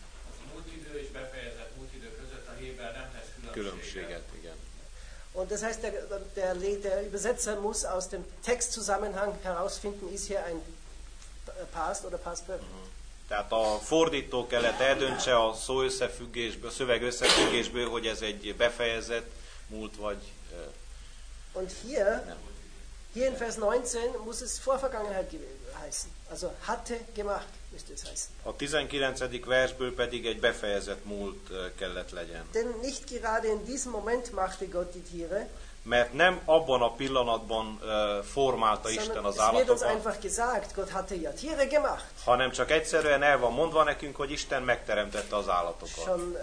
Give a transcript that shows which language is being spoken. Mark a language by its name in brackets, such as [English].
[Hungarian] Az múltidő és befejezett múltidő között a héber nem tesz különbséget. Igen. [German] Und das heißt, der Übersetzer muss aus dem Textzusammenhang herausfinden, ist hier ein [English] past or the past perfect. Mm-hmm. [Hungarian] Tehát a fordító kellett eldöntse a szó összefüggésből, a szöveg összefüggésből, hogy ez egy befejezett múlt vagy. [German] Und hier, hier in Vers 19 muss es Vorvergangenheit heißen. Also hatte gemacht, müsste es heißen. [Hungarian] A 19. versből pedig egy befejezett múlt kellett legyen. [German] Denn nicht gerade in diesem Moment machte Gott die Tiere. [Hungarian] Mert nem abban a pillanatban formálta Isten az állatokat, hanem csak egyszerűen el van mondva nekünk, hogy Isten megteremtette az állatokat.